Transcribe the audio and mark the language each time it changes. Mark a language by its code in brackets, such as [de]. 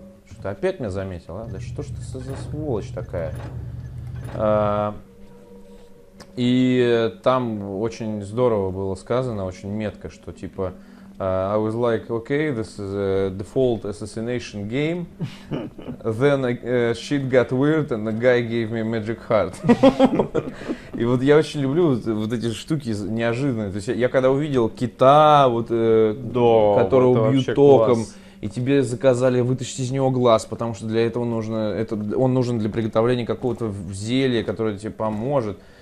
[ru] Что-то опять меня заметил, а? Да что ж ты за сволочь такая? И там очень здорово было сказано, очень метко, что типа [en] I was like, okay, this is a default assassination game. Then shit got weird and the guy gave me magic heart. [ru] И вот я очень люблю вот эти штуки неожиданные. То есть я когда увидел кита, вот, да, которого убьют током, и тебе заказали вытащить из него глаз, потому что для этого нужно, это, он нужен для приготовления какого-то зелья, которое тебе поможет.